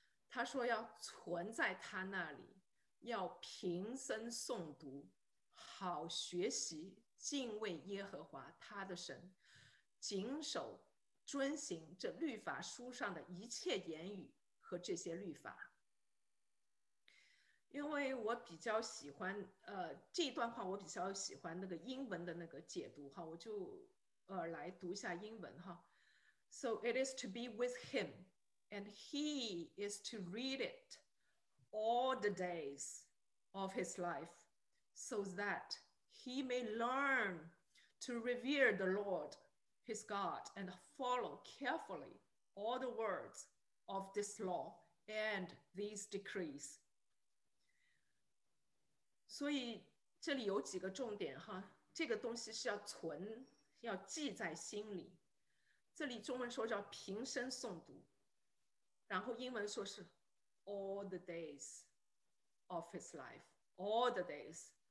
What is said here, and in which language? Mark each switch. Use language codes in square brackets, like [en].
[zh] 他说要存在他那里，要平生诵读，好学习敬畏耶和华他的神，谨守遵行这律法书上的一切言语和这些律法。因为我比较喜欢这一段话，我比较喜欢那个英文的那个解读哈，我就来读一下英文哈。 [en] So it is to be with him and he is to read it all the days of his life so that he may learn to revere the Lord his God and follow carefully all the words of this law and these decrees. [zh] 所以这里有几个重点哈，这个东西是要存，要记在心里。这里中文说叫平生诵读，然后英文说是 [en] all the days of his life, all the days.